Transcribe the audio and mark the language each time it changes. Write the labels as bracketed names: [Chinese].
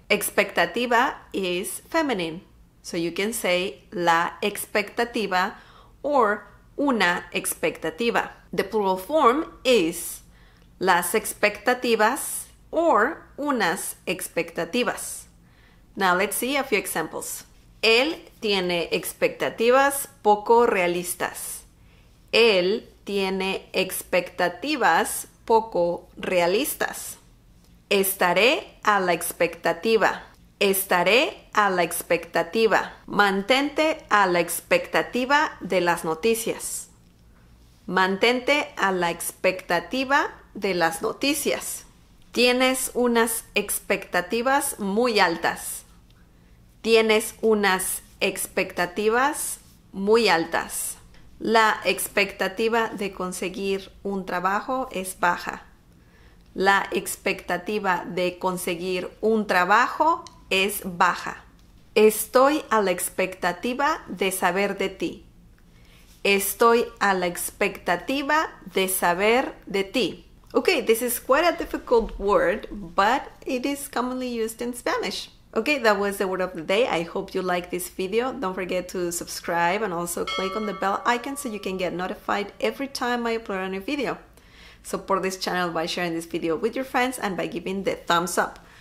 [English] Expectativa is feminine, so you can say la expectativa or una expectativa. The plural form is las expectativas or unas expectativas. Now let's see a few examples. [Spanish] Él tiene expectativas poco realistas. Él tiene expectativas poco realistas. Estaré a la expectativa. Estaré a la expectativa. Mantente a la expectativa de las noticias. Mantente a la expectativa de las noticias. Tienes unas expectativas muy altas. Tienes unas expectativas muy altas. La expectativa de conseguir un trabajo es baja. La expectativa de conseguir un trabajo es baja. Estoy a la expectativa de saber de ti. Estoy a la expectativa de saber de ti. [English] Okay, this is quite a difficult word, but it is commonly used in Spanish. Okay, that was the word of the day. I hope you like this video. Don't forget to subscribe and also click on the bell icon so you can get notified every time I upload a new video. Support this channel by sharing this video with your friends and by giving the thumbs up.